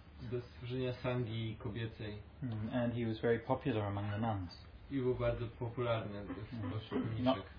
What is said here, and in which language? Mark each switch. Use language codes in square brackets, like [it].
[pl] do stworzenia sangi kobiecej. [en] And he was very popular among the nuns. [pl] I był bardzo popularny wśród mniszek.